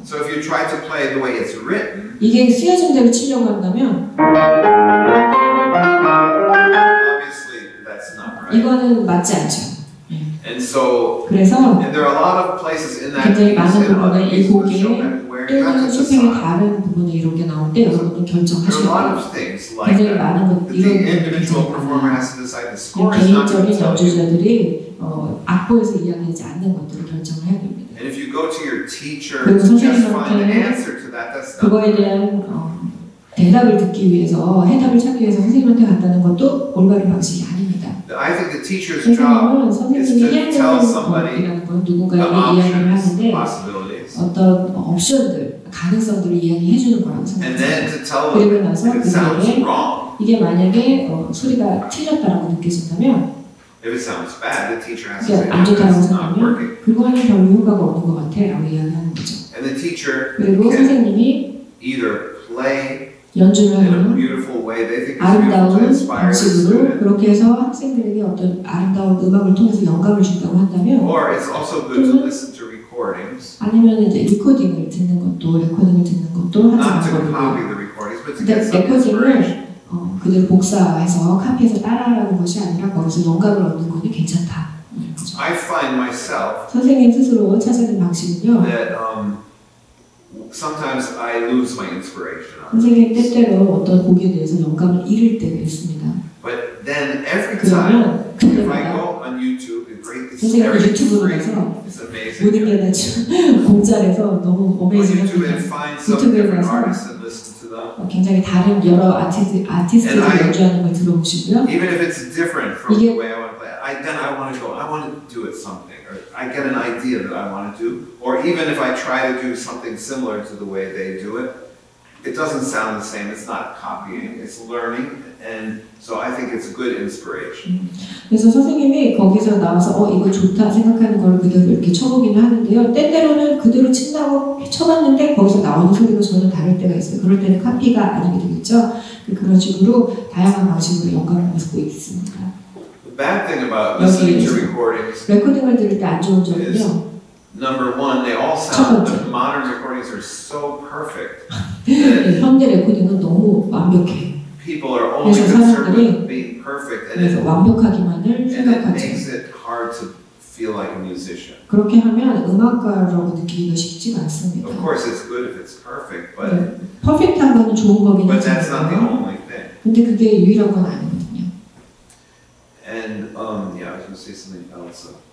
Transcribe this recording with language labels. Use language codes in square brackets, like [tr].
[en] So if you try to play the way it's written, [ko] 이게 쓰여진 대로 치려고 한다면. [en] Obviously, that's not right. [ko] 이거는 맞지 않죠. [en] And so, [ko] 그래서 [en] and there are a lot of places in that [ko] 굉장히 많은 부분에 이 곡이 또는 쇼팽의 다른 부분에 이런 게 나올 때 여러분도 결정하셔야 돼요. 굉장히 많은 이런 부분들이 개인적인 연주자들이 악보에서 이야기하지 않는 것들을 결정을 해야 됩니다. [en] And if you go to your teacher to just find an answer to that, that's not [ko] 그거에 대한 대답을 듣기 위해서 해답을 찾기 위해서 선생님한테 갔다는 것도 올바른 방식이 아닙니다. [en] I think the teacher's job is to tell somebody the options, possibilities, [ko] 어떤 옵션들, 가능성들을 이야기해주는 거라고 생각합니다. 그리고 나서 [en] if it sounds wrong, [ko] 이게 만약에 소리가 틀렸다라고 느껴진다면 [en] if it sounds bad, the teacher has to say that it's not working. [ko] 그거 하는 게 별로 효과가 없는 것 같아 라고 이야기하는 거죠. [en] And the teacher [ko] 그리고 선생님이 [en] either play [ko] 연주를 [en] in a beautiful way, they think it's beautiful to inspire the student. [ko] 그렇게 해서 학생들에게 어떤 아름다운 음악을 통해서 영감을 준다고 한다면, [en] or it's also good to listen to recordings. [ko] 아니면 이제 리코딩을 듣는 것도, 레코딩을 듣는 것도 하는 거고요. 레코딩을 그대로 복사해서 카피해서 따라하는 것이 아니라 거기서 영감을 얻는 것이 괜찮다. 이렇게. [en] I find myself [ko] 선생님 스스로 찾아낸 방식은요. [en] Sometimes I lose my inspiration. [ko] 선생님 때때로 어떤 곡에 대해서 영감을 잃을 때가 있습니다. [en] But then every time, if I go on YouTube and break this every [ko] YouTube에서 [en] it's amazing. [ko] 모든 게 다 공짜에서 너무 amazing. [en] YouTube and find some different artists and listen to them. [ko] 굉장히 다른 여러 아티스트들 연주하는 걸 들어보시고요. [en] Even if it's different from the way I want to play, then I want to go. I want to do it something. I get an idea that I want to do, or even if I try to do something similar to the way they do it, it doesn't sound the same. It's not copying. It's learning, and so I think it's a good inspiration. [ko] 그래서 선생님이 거기서 나와서 이거 좋다 생각하는 걸 그대로 이렇게 쳐보기는 하는데요. 때때로는 그대로 친다고 쳐봤는데 거기서 나오는 소리가 저는 다를 때가 있어요. 그럴 때는 카피가 아니게 되겠죠. 그런 식으로 다양한 방식으로 영감을 얻고 있습니다. [en] Bad thing about listening to recordings. [ko] 레코딩을 들을 때 안 좋은 점은요. [en] Number one, they all sound. The modern recordings are so perfect. [ko] 현대 레코딩은 너무 완벽해. [en] People are only concerned with being perfect, and [ko] it 완벽하기만을 생각하죠. [en] And it makes it hard to feel like a musician. [ko] 그렇게 하면 음악가라고 느끼기가 쉽지가 않습니다. [en] Of course, it's good if it's perfect, but. [ko] 퍼펙트한 거는 좋은 거긴 하지만. [en] But that's not the only thing. [ko] 근데 그게 유일한 건 아니에요. [en] And yeah, I was gonna say something else.